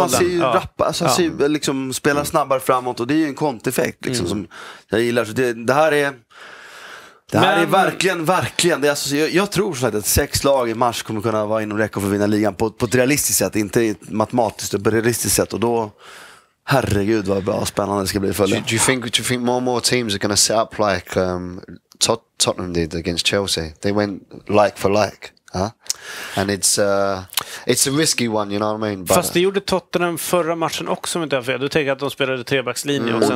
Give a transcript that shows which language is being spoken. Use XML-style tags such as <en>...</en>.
<sv>Han ser ju rappa, alltså, han ser ju liksom spela snabbare framåt, och det är ju en konteffekt liksom, som jag gillar. Så det här är verkligen, det är alltså, jag tror så att 6 lag i mars kommer kunna vara inom räckhåll för att vinna ligan på ett realistiskt sätt, inte matematiskt, utan på ett realistiskt sätt. Och då, herregud vad bra, spännande det ska bli för dem.</sv> <en>Do you think more and more teams are going to set up like Tottenham did against Chelsea? They went like for like, huh? And it's a risky one, you know what I mean?</en> <sv>Fast det gjorde Tottenham förra matchen också, om inte jag fel. Du tänker att de spelade trebackslinje och sen</sv>